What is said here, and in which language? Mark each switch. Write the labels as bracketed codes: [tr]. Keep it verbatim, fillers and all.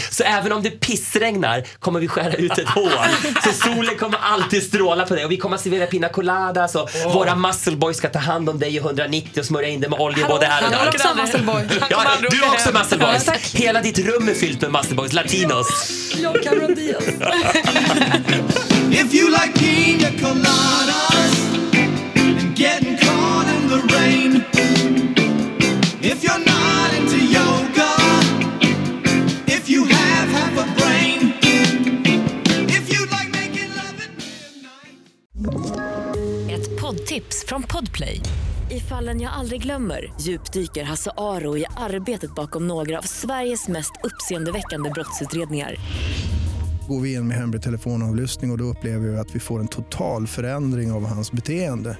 [sv] Så även om det pissregnar kommer vi skära ut ett hål. Så solen kommer alltid stråla på dig. Och vi kommer att servera pina coladas och oh. våra muscle boys ska ta hand om dig i hundranittio och smörja in dig med olja både här och där. Han har också muscle boy. Ja, du har också muscle boys. Ja, hela ditt rum är fyllt med muscle boys, latinos. Jag kan runda i oss. [en] If you like pina coladas and getting caught in the rain, if you're not into yoga, if you have half a brain, if you like making love at midnight. [sv] Ett poddtips från Podplay. I Fallen jag aldrig glömmer djupdyker Hasse Aro i arbetet bakom några av Sveriges mest uppseendeväckande brottsutredningar. Går vi in med hemlig telefonavlyssning och, och då upplever vi att vi får en total förändring av hans beteende.